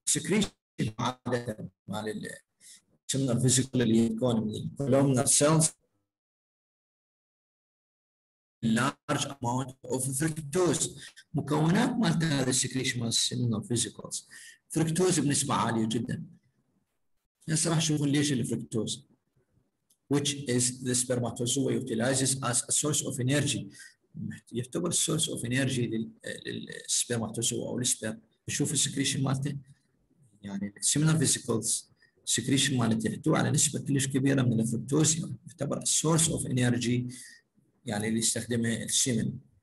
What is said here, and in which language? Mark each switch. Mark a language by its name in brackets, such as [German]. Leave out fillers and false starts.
[Arabic] Secretion عاده مال السيمينال فيزيكل اللي يكون من الكولومنر سيلز large amount of fructose. مكونات مالت هذا السكريشن مال السيمينال فيزيكلز فركتوز بنسبة عالية جدا. هسه راح نشوف ليش الفركتوز. [English] Which is the spermatozoa utilizes as a source of energy. [Arabic] يعتبر source of energy للسبرماتوزوا او السبر. نشوف السكريشن مالته يعني السيمينال فيزيكلز السكريشن مالته يحتوي على نسبة كلش كبيرة من الفركتوز، يعتبر source of energy يعني اللي يستخدمه السيمن.